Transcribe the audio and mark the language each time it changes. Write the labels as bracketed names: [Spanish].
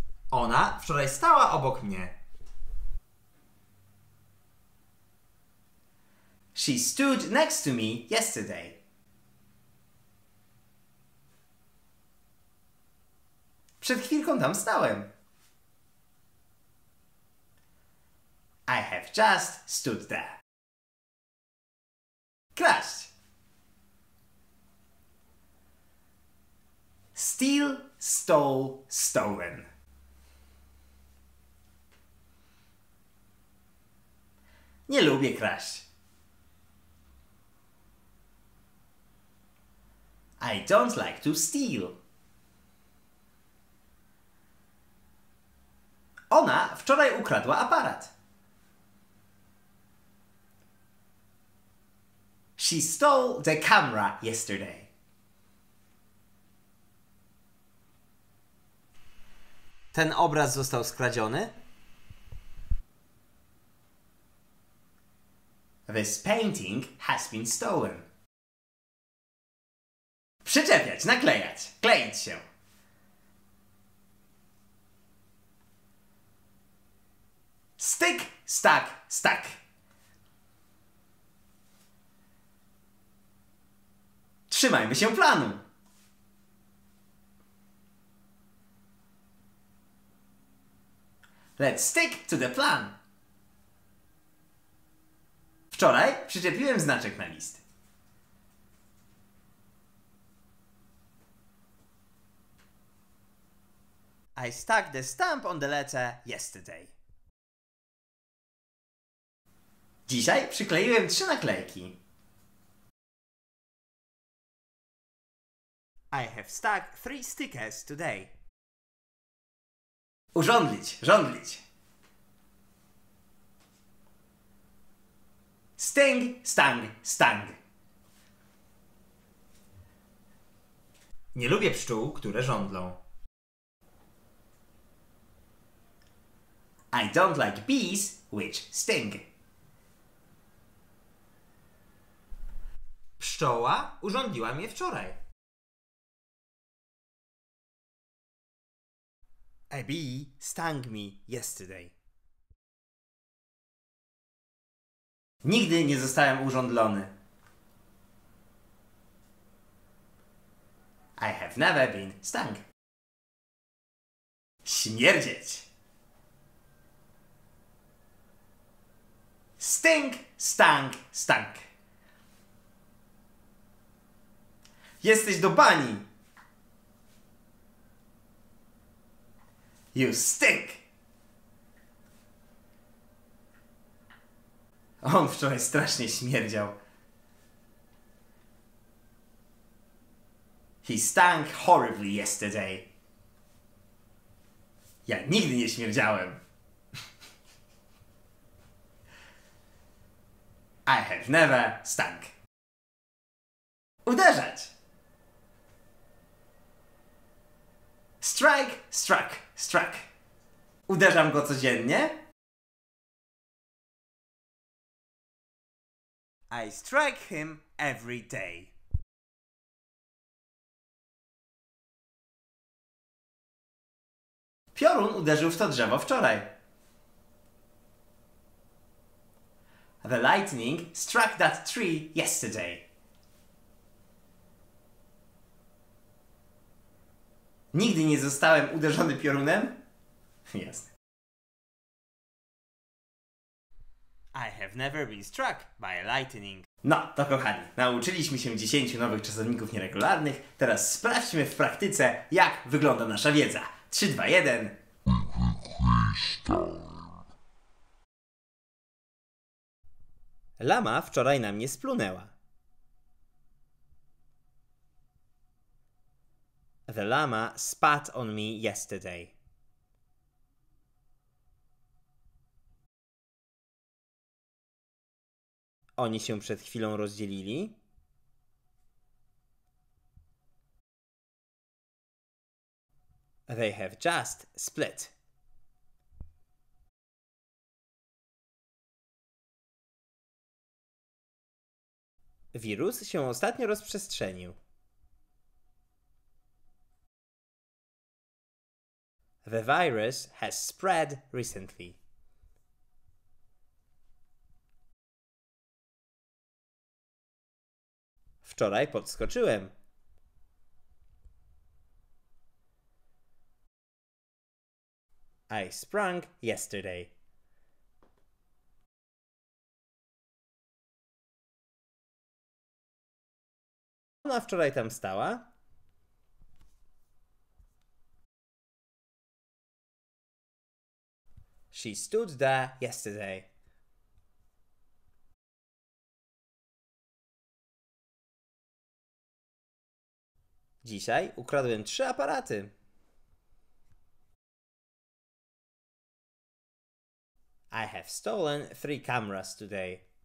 [Polish] Ona wczoraj stała obok mnie. [English] She stood next to me yesterday. [Polish] Przed chwilką tam stałem. [English] I have just stood there. [Polish] Kraść. [English] Steal, stole, stolen. [Polish] Nie lubię kraść. [English] I don't like to steal. [Polish] Ona wczoraj ukradła aparat. [English] She stole the camera yesterday. [Polish] Ten obraz został skradziony. [English] This painting has been stolen. [Polish] Przyczepiać, naklejać, kleić się. [English] Stick, stack, stack. [Polish] Trzymajmy się planu. [English] Let's stick to the plan. [Polish] Wczoraj przyczepiłem znaczek na list. [English] I stuck the stamp on the letter yesterday. [Polish] Dzisiaj przykleiłem 3 naklejki. [English] I have stuck 3 stickers today. [Polish] Urządlić, żądlić. [English] Sting, stang, stang. [Polish] Nie lubię pszczół, które żądlą. [English] I don't like bees which sting. [Polish] Pszczoła urządziła mnie wczoraj. [English] A bee stung me yesterday. [Polish] Nigdy nie zostałem urządlony. [English] I have never been stung. [Polish] Śmierdzieć. [English] Stink, stank, stank. [Polish] Jesteś do bani. [English] You stink. [Polish] On wczoraj strasznie śmierdział. [English] He stank horribly yesterday. [Polish] Ja nigdy nie śmierdziałem. [English] I have never stank. [Polish] Uderzać. [English] Strike, struck, struck. [Polish] Uderzam go codziennie. [English] I strike him every day. [Polish] Piorun uderzył w to drzewo wczoraj. [English] The lightning struck that tree yesterday. [Polish] Nigdy nie zostałem uderzony piorunem? Jasne. [English] I have never been struck by lightning. [Polish] No, to kochani, nauczyliśmy się 10 nowych czasowników nieregularnych. Teraz sprawdźmy w praktyce, jak wygląda nasza wiedza. 3, 2, 1. Lama wczoraj na mnie splunęła. [English] The llama spat on me yesterday. [Polish] Oni się przed chwilą rozdzielili. [English] They have just split. [Polish] Wirus się ostatnio rozprzestrzenił. [English] The virus has spread recently. [Polish] Wczoraj podskoczyłem. [English] I sprung yesterday. [Polish] Ona wczoraj tam stała. [English] She stood there yesterday. [Polish] Dzisiaj ukradłem 3 aparaty. [English] I have stolen 3 cameras today.